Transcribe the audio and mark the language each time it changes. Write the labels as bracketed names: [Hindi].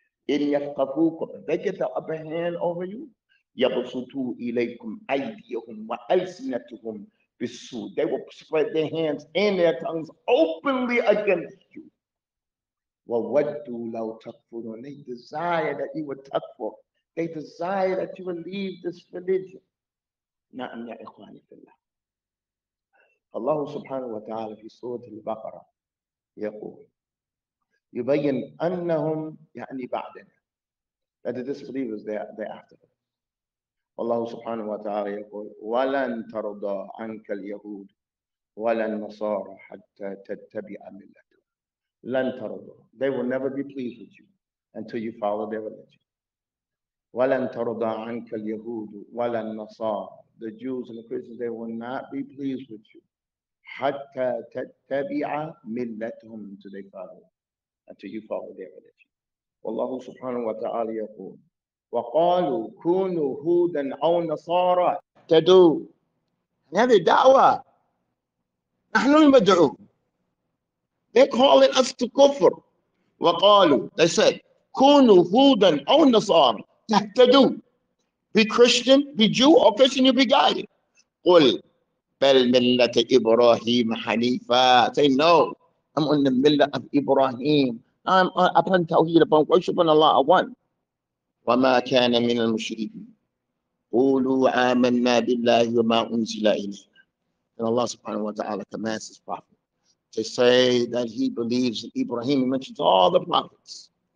[Arabic] إِنْ يَفْقَفُوكُمْ. [English] They get the upper hand over you. [Arabic] يَبْسُطُوا إِلَيْكُمْ أَيْدِيَهُمْ وَأَلْسِنَتَهُمْ بالسوء. [English] They will spread their hands and their tongues openly against you. [Arabic] وَوَدُّوا لَوْ تَكْفُرُونَ. [English] They desire that you would تَكْفُر. They desire that you would leave this religion. [Arabic] نعم يا إخواني في الله. الله سبحانه وتعالى في سورة البقرة يقول يبين أنهم يعني بعدنا. [English] That the disbelievers, they're after them. [Arabic] والله سبحانه وتعالى يقول ولن ترضى عنك اليهود ولا النصارى حتى تتبع ملتهم. لن ترضى. [English] They will never be pleased with you until you follow their religion. [Arabic] ولن ترضى عنك اليهود ولا النصارى. [English] The Jews and the Christians, they will not be pleased with you [Arabic] حتى تتبع ملتهم, [English] until they follow, until you follow their religion. [Arabic] والله سبحانه وتعالى يقول وقالوا كونوا هودا او نصارى تدعو. هذه دعوه. نحن المدعو. [English] They calling us to [Arabic] كفر. وقالوا, [English] they said [Arabic] كونوا هودا او نصارى تهتدوا. [English] Be Christian, be Jew or Christian, you be guided. [Arabic] قل بل ملة ابراهيم حنيفا. [English] Say no, I'm on the ملة of Ibrahim. I'm upon tawheed, upon worshiping Allah, one. [Arabic] وَمَا كَانَ مِنَ الْمُشْرِكِينَ. قولوا آمنا بالله وما أنزل إلينا. [English] And Allah subhanahu wa ta'ala commands his prophet to say that he believes in Ibrahim. He mentions all the prophets.